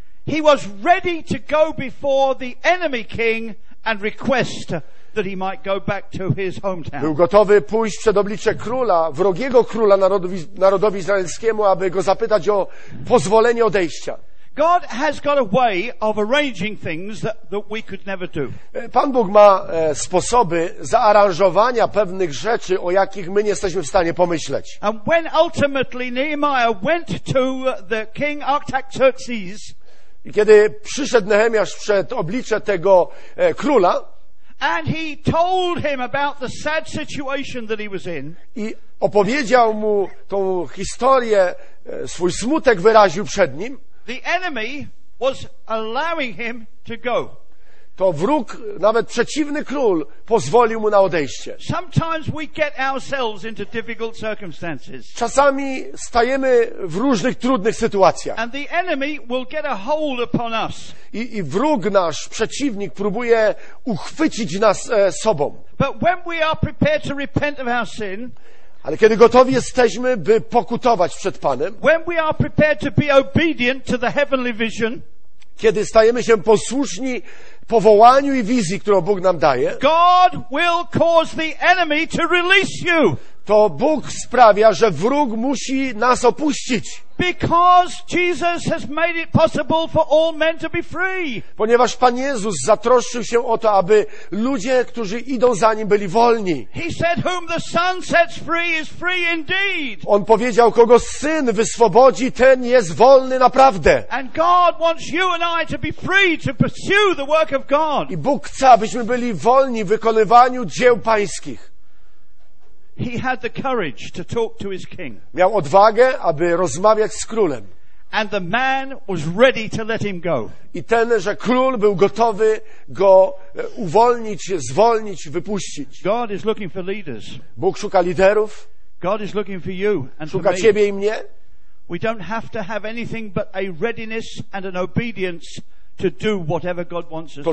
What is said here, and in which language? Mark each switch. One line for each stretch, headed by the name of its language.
English: He was ready to go before the enemy king and request that he might go back to his hometown.
Polish: Był gotowy pójść przed oblicze króla, wrogiego króla narodowi izraelskiemu, aby go zapytać o pozwolenie odejścia.
English: God has got a way of arranging things that we could never do.
Polish: Pan Bóg ma sposoby zaaranżowania pewnych rzeczy, o jakich my nie jesteśmy w stanie pomyśleć.
English: And when ultimately Nehemiah went to the king Artaxerxes,
Polish: i kiedy przyszedł Nehemiasz przed oblicze tego króla,
English: and he told him about the sad situation that he was in,
Polish: i opowiedział mu tą historię, swój smutek wyraził przed nim.
English: The enemy was allowing him to go.
Polish: To wróg, nawet przeciwny król, pozwolił mu na odejście.
English: Sometimes we get ourselves into difficult circumstances.
Polish: Czasami stajemy w różnych trudnych sytuacjach.
English: And the enemy will get a hold upon us.
Polish: I wróg nasz, przeciwnik, próbuje uchwycić nas sobą.
English: But when we are prepared to repent of our sin,
Polish: ale kiedy gotowi jesteśmy, by pokutować przed Panem,
English: when we are prepared to be obedient to the heavenly vision,
Polish: kiedy stajemy się posłuszni powołaniu i wizji, którą Bóg nam daje.
English: God will cause the enemy to release you.
Polish: To Bóg sprawia, że wróg musi nas opuścić.
English: Because Jesus has made it possible for all men to be free.
Polish: Ponieważ Pan Jezus zatroszczył się o to, aby ludzie, którzy idą za Nim, byli wolni.
English: He said, whom the Son sets free is free indeed.
Polish: On powiedział, kogo Syn wyswobodzi, ten jest wolny naprawdę.
English: And God wants you and I to be free to pursue the work of God.
Polish: I Bóg chce, abyśmy byli wolni w wykonywaniu dzieł Pańskich.
English: He had the courage to talk to his king.
Polish: Miał odwagę, aby rozmawiać z królem.
English: And the man was ready to let him go.
Polish: I ten, że król był gotowy go uwolnić, zwolnić, wypuścić.
English: God is looking for leaders.
Polish: Bóg szuka liderów.
English: God is looking for you and
Polish: szuka
English: for me.
Polish: Ciebie i mnie.
English: We don't have to have anything but a readiness and an obedience to do whatever God wants us to do.